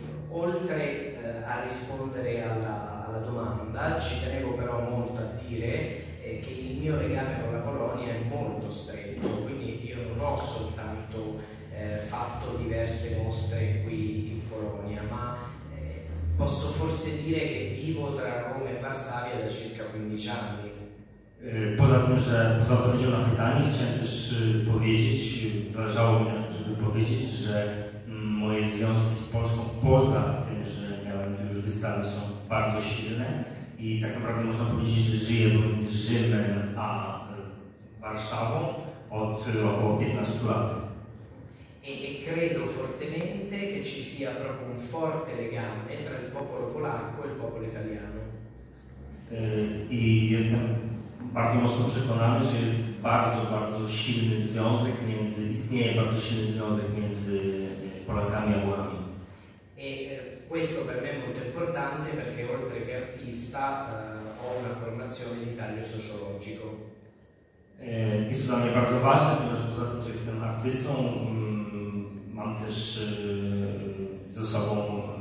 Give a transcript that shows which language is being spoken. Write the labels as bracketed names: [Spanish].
[Italian] oltre a rispondere alla domanda, ci tenevo però molto a dire che il mio legame con la Polonia è molto stretto, quindi io non ho soltanto fatto diverse mostre qui in Polonia, ma posso forse dire che vivo tra Roma e Varsavia da circa 15 anni. [Polish] Poza tym, że poza odpowiedzią na pytanie, chciałem też powiedzieć, zależało mi na tym, żeby powiedzieć, że moje związki z Polską, poza tym, że miałem tu już wystawy, są bardzo silne i tak naprawdę można powiedzieć, że żyję pomiędzy Rzymem a Warszawą od około 15 lat. [Italian] E credo fortemente che ci sia proprio un forte legame tra il popolo polacco e il popolo italiano. [Polish] I jestem bardzo mocno przekonany, że jest bardzo, bardzo silny związek między, istnieje bardzo silny związek między Polakami a Włochami. [Italian] E questo per me è molto importante perché oltre che artista, ho una formazione di taglio sociologico. [Polish] Jest to dla mnie bardzo ważne, ponieważ poza tym, że jestem artystą, mam też ze sobą